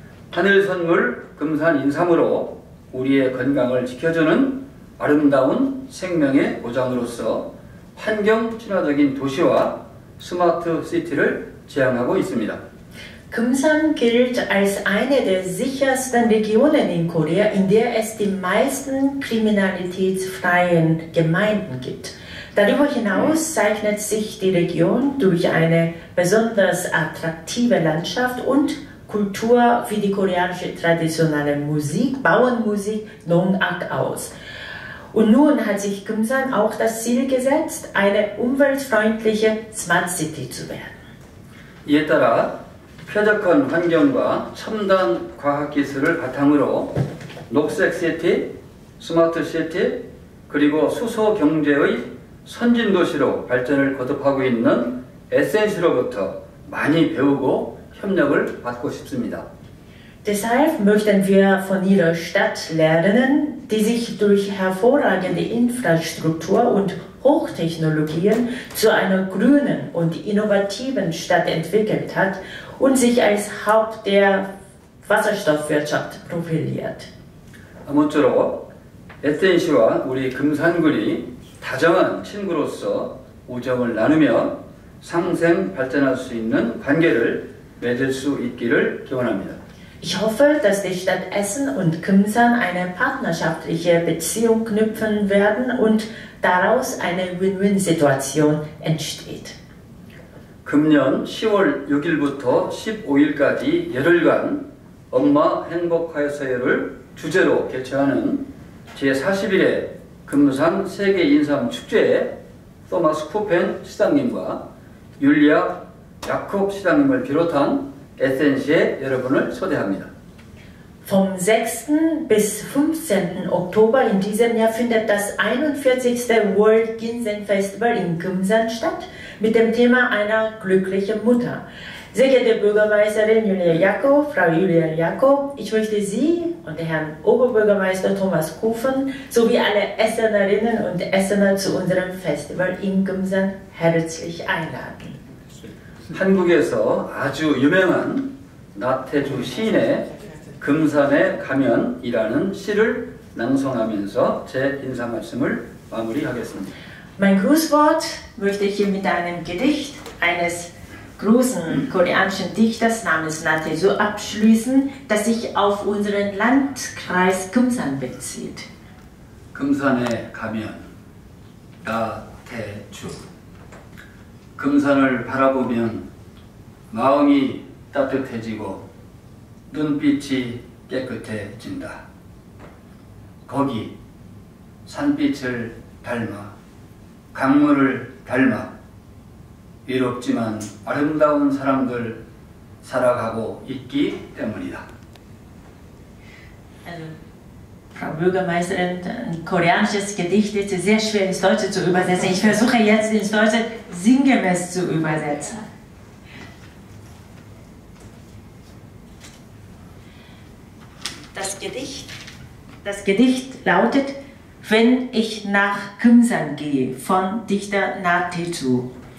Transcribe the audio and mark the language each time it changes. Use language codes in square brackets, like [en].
[ko] 하늘 선물 금산 인삼으로 우리의 건강을 지켜주는 아름다운 생명의 보장으로서 환경 친화적인 도시와 스마트 시티를 지향하고 있습니다. [de] Gumsan gilt als eine der sichersten Regionen in Korea, in der es die meisten kriminalitätsfreien Gemeinden gibt. Darüber hinaus zeichnet sich die Region durch eine besonders attraktive Landschaft und Kultur wie die koreanische traditionelle Musik, Bauernmusik, Nongak aus. Und nun hat sich Gumsan auch das Ziel gesetzt, eine umweltfreundliche Smart City zu werden. [ko] 이에 따라 쾌적한 환경과 첨단 과학기술을 바탕으로 녹색 시티, 스마트 시티, 그리고 수소 경제의 선진 도시로 발전을 거듭하고 있는 SNC로부터 많이 배우고 협력을 받고 싶습니다. [de] Deshalb möchten wir von Ihrer Stadt lernen, die sich durch hervorragende Infrastruktur und Hochtechnologien zu einer grünen und innovativen Stadt entwickelt hat und sich als Haupt der Wasserstoffwirtschaft profiliert. [ko] 아무쪼록 SNC와 우리 금산군이 다정한 친구로서 우정을 나누며 상생 발전할 수 있는 관계를 맺을 수 있기를 기원합니다. [de] Ich hoffe, dass die Stadt Essen und Gumsan eine partnerschaftliche Beziehung knüpfen werden und daraus eine Win-Win-Situation entsteht. [ko] 금년 10월 6일부터 15일까지 열흘간 엄마 행복하여서요를 주제로 개최하는 제41회 금산 세계 인삼 축제에 토마스 쿠펜 시장님과 율리아 야콥 시장님을 비롯한 SNC의 여러분을 초대합니다. [de] Vom 6. bis 15. Oktober in diesem Jahr findet das 41. World Ginseng Festival in Gumsan statt mit dem Thema einer glücklichen Mutter. Sehr geehrte Bürgermeisterin Julia Jakob, Frau Julia Jakob, ich möchte Sie und Herrn Oberbürgermeister Thomas Kufen sowie alle Essenerinnen und Essener zu unserem Festival in Gumsan herzlich einladen. [ko] 한국에서 아주 유명한 나태주 시인의 금산에 가면이라는 시를 낭송하면서 제 인사 말씀을 마무리하겠습니다. [de] Mein Grußwort möchte ich hier mit einem Gedicht eines großen koreanischen Dichters namens Naeju abschließen, das sich auf unseren Landkreis Gumsan bezieht. [ko] 금산에 가면 나태주 금산을 바라보면 마음이 따뜻해지고 눈빛이 깨끗해진다. 거기 산빛을 닮아 강물을 닮아 외롭지만 아름다운 사람들 살아가고 있기 때문이다. [de] Frau Bürgermeisterin, ein koreanisches Gedicht ist sehr schwer ins Deutsche zu übersetzen. Ich versuche jetzt ins Deutsche sinngemäß zu übersetzen. Das Gedicht lautet, wenn ich nach Gumsan gehe, von Dichter Naeju.